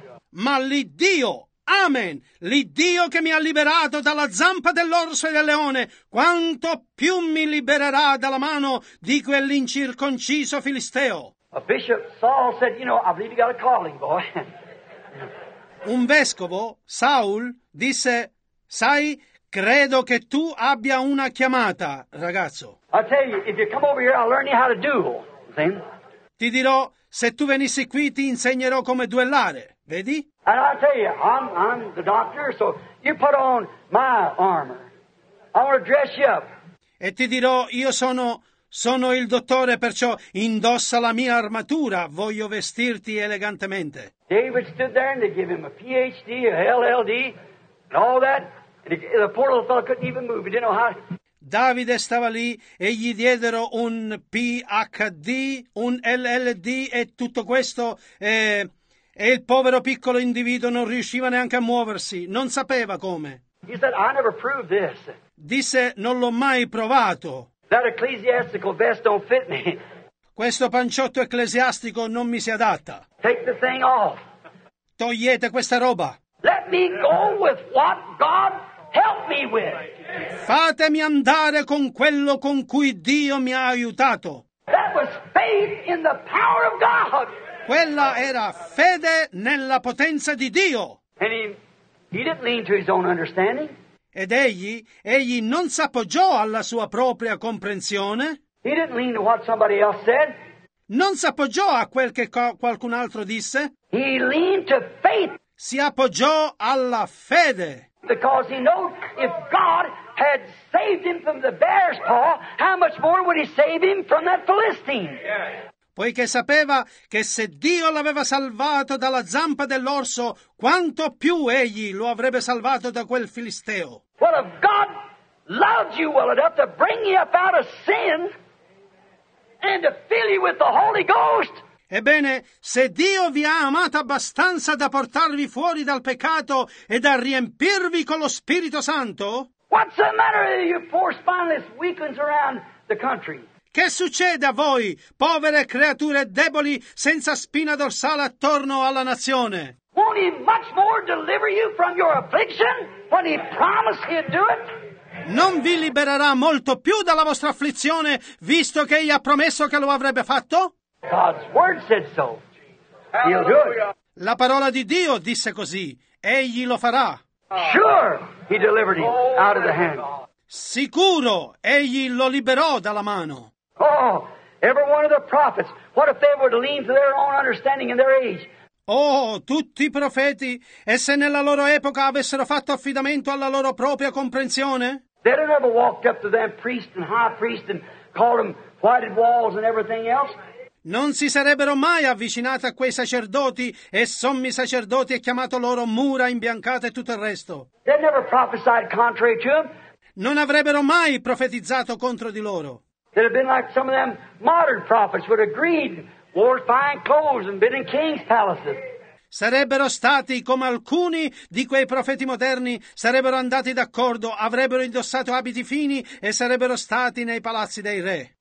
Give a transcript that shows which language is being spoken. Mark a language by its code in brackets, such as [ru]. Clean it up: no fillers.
[it] Ma l'Iddio, amen, l'Iddio che mi ha liberato dalla zampa dell'orso e del leone, quanto più mi libererà dalla mano di quell'incirconciso filisteo. [en] A bishop, Saul, said, you know, I believe you got a calling, boy. [it] Un vescovo, Saul, disse, sai, credo che tu abbia una chiamata, ragazzo. [en] I'll tell you, if you come over here, I'll learn you how to duel, then. [it] Ti dirò, se tu venissi qui, ti insegnerò come duellare, vedi? [en] And I'll tell you, I'm the doctor, so you put on my armor. I want to dress you up. [it] E ti dirò, io sono il dottore, perciò indossa la mia armatura. Voglio vestirti elegantemente. [en] David stood there and they gave him a PhD, a LLD, and all that. And the poor little fellow couldn't even move. He didn't know how. [it] Davide stava lì e gli diedero un PhD, un LLD e tutto questo. E il povero piccolo individuo non riusciva neanche a muoversi. Non sapeva come. [en] He said, I never proved this. [it] Disse, non l'ho mai provato. [en] That ecclesiastical vest don't fit me. [it] Questo panciotto ecclesiastico non mi si adatta. [en] Take the thing off. [it] Togliete questa roba. [en] Let me go with what God help me with. [it] Fatemi andare con quello con cui Dio mi ha aiutato. [en] That was faith in the power of God. [it] Quella era fede nella potenza di Dio. [en] And he didn't lean to his own understanding. [it] Ed egli non s'appoggiò alla sua propria comprensione. [en] He didn't lean to what somebody else said. [it] Non s'appoggiò a quel che qualcun altro disse. [en] He leaned to faith. [it] Si appoggiò alla fede. [en] Because he knew if God had saved him from the bear's paw, how much more would he save him from that Philistine? Yes. [it] Poiché sapeva che se Dio l'aveva salvato dalla zampa dell'orso, quanto più egli lo avrebbe salvato da quel filisteo. [en] Well, if God loved you well enough to bring you up out of sin and to fill you with the Holy Ghost. [it] Ebbene, se Dio vi ha amato abbastanza da portarvi fuori dal peccato e da riempirvi con lo Spirito Santo. [en] What's the matter with you poor spineless weaklings around the country? [it] Che succede a voi, povere creature deboli, senza spina dorsale attorno alla nazione? [en] Won't he much more deliver you from your affliction when he promised he'd do it? [it] Non vi libererà molto più dalla vostra afflizione, visto che egli ha promesso che lo avrebbe fatto? [en] God's word said so. He'll do it. [it] La parola di Dio disse così. Egli lo farà. [en] Sure, he delivered him out of the hand. [it] Sicuro, egli lo liberò dalla mano. [en] Oh, every one of the prophets, what if they were to lean to their own understanding and their age? [it] Oh, tutti i profeti, e se nella loro epoca avessero fatto affidamento alla loro propria comprensione? [en] They'd have never walked up to them priest and high priest and called them whited walls and everything else. [it] Non si sarebbero mai avvicinati a quei sacerdoti e sommi sacerdoti e chiamato loro mura imbiancate e tutto il resto. [en] They'd never prophesied contrary to them. [it] Non avrebbero mai profetizzato contro di loro. [en] that have been like some of them modern prophets would have agreed, wore fine clothes and been in kings' palaces. [it] Sarebbero stati come alcuni di quei profeti moderni, sarebbero andati d'accordo, avrebbero indossato abiti fini e sarebbero stati nei palazzi dei re.